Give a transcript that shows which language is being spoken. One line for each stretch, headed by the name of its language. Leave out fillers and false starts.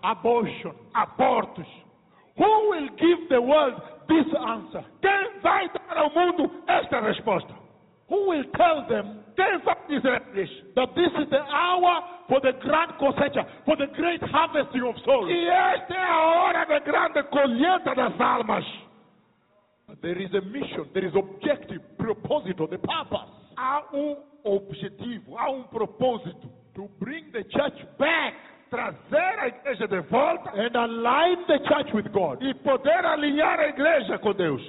English: abortion,
Portuguese: abortos,
English: who will give the world this answer?
Portuguese: Quem vai dar ao mundo esta resposta?
English: Who will tell them?
Portuguese: Quem vai dizer-lhes?
English: That this is the hour for the grand cosecha, for the great harvesting of souls.
Portuguese: E esta é a hora da grande colheita das almas.
English: But there is a mission, there is objective, propósito, the purpose.
Portuguese: Há objetivo, há propósito.
English: To bring the church back.
Portuguese: Trazer a igreja de volta,
English: and align the church with God,
Portuguese: e poder alinhar a igreja com Deus,